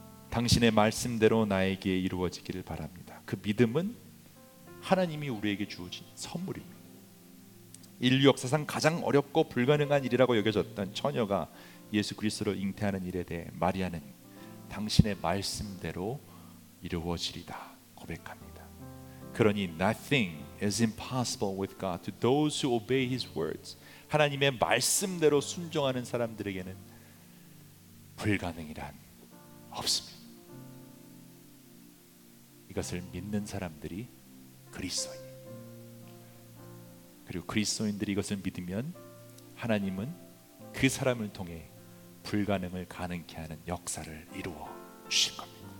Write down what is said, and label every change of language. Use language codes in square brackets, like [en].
[ko] 당신의 말씀대로 나에게 이루어지기를 바랍니다. 그 믿음은 하나님이 우리에게 주어진 선물입니다. 인류 역사상 가장 어렵고 불가능한 일이라고 여겨졌던 처녀가 예수 그리스도로 잉태하는 일에 대해 마리아는 당신의 말씀대로 이루어지리다 고백합니다. 그러니 [en] nothing is impossible with God to those who obey his words. [ko] 하나님의 말씀대로 순종하는 사람들에게는 불가능이란 없습니다. 이것을 믿는 사람들이 그리스도인. 그리고 그리스도인들이 이것을 믿으면 하나님은 그 사람을 통해 불가능을 가능케 하는 역사를 이루어 주실 겁니다.